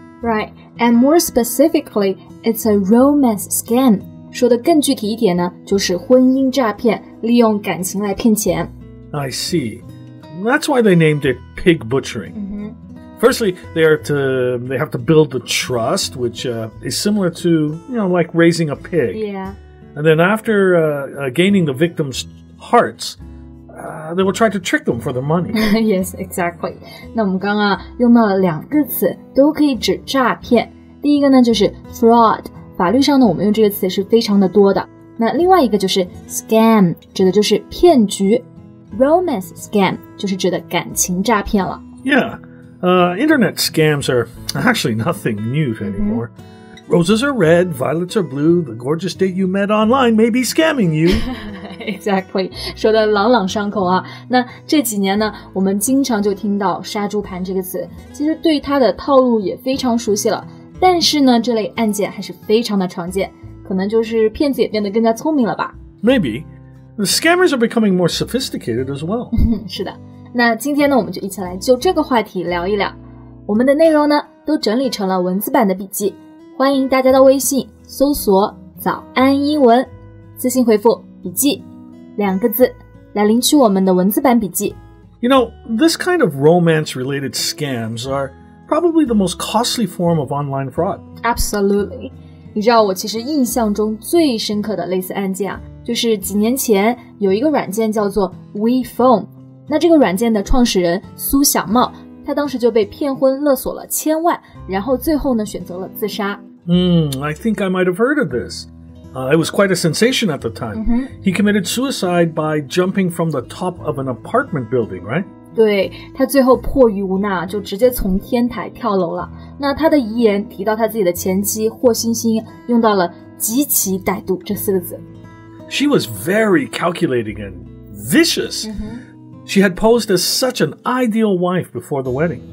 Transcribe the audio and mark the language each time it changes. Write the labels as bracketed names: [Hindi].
[English] Right, and more specifically, it's a romance scam. [Chinese] 说的更具体一点呢，就是婚姻诈骗，利用感情来骗钱。 [English] I see. That's why they named it pig butchering. Mm-hmm. Firstly, they have to build the trust, which is similar to, you know, like raising a pig. Yeah. And then after gaining the victim's hearts, they will try to trick them for the money. Yes, exactly. [Chinese] 那我们刚刚用到了两个词都可以指诈骗。第一个呢就是 fraud, 法律上呢我们用这个词是非常的多的。那另外一个就是 scam, 指的就是骗局。 Romance scam 就是指的感情诈骗了。 [English] Yeah, internet scams are actually nothing new anymore.、Mm-hmm. Roses are red, violets are blue, the gorgeous date you met online may be scamming you. Exactly, [Chinese] 说得朗朗上口啊。那这几年呢，我们经常就听到杀猪盘这个词，其实对它的套路也非常熟悉了。但是呢，这类案件还是非常的常见，可能就是骗子也变得更加聪明了吧。 [English] Maybe. The scammers are becoming more sophisticated as well. [Chinese] 是的，那今天呢，我们就一起来就这个话题聊一聊。我们的内容呢，都整理成了文字版的笔记，欢迎大家到微信搜索“早安英文”，私信回复“笔记”两个字来领取我们的文字版笔记。 [English] You know, this kind of romance-related scams are probably the most costly form of online fraud. Absolutely. [Chinese] 你知道我其实印象中最深刻的类似案件啊。就是几年前有一个软件叫做 WePhone, 那这个软件的创始人苏小茂，他当时就被骗婚勒索了千万，然后最后呢选择了自杀。 [English] I think I might have heard of this. It was quite a sensation at the time.、 Mm-hmm. He committed suicide by jumping from the top of an apartment building, right? [Chinese] 对，他最后迫于无奈就直接从天台跳楼了。那他的遗言提到他自己的前妻霍欣欣用到了极其歹毒这四个字。 [English] She was very calculating and vicious.、 Mm-hmm. She had posed as such an ideal wife before the wedding.